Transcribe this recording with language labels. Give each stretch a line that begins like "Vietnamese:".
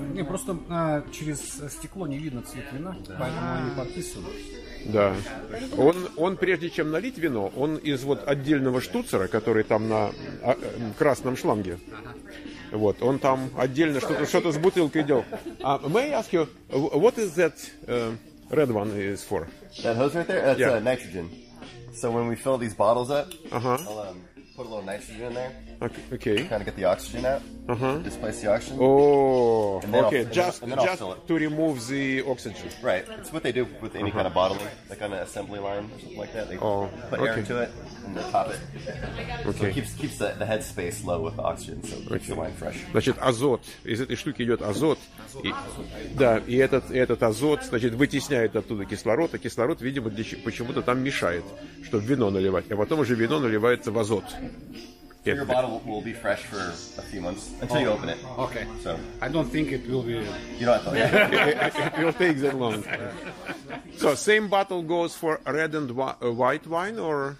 Russian: Нет, просто через стекло не видно цвет вина, да. поэтому они подписаны. Да. Он прежде чем налить вино, он из вот отдельного штуцера, который там на красном шланге. Вот, он там отдельно что-то с бутылкой делал.
English: May I ask you, what is that red one is for? That hose right there? That's yeah. Nitrogen. So when we fill these bottles up, uh-huh. I'll put a little nitrogen in there. Okay. Kind of get the oxygen out. Uh-huh. Displace the oxygen. Oh, okay. Just to remove the oxygen. Right. It's what they do with any uh-huh. kind of bottling, like on an assembly line or something like that. They put air into it and they top it. Okay. So it keeps the head space low with the oxygen, so it keeps the wine fresh.
Russian: Значит, азот. Из этой штуки идет азот. Азот. Да, и этот азот, значит, вытесняет оттуда кислород, а кислород, видимо, почему-то там мешает, чтобы вино наливать. А потом уже вино наливается в азот.
English: Your bottle will be fresh for a few months until you open it. Okay. So I don't think it will be. You don't have to. It will take that long. So same bottle goes for red and white wine, or?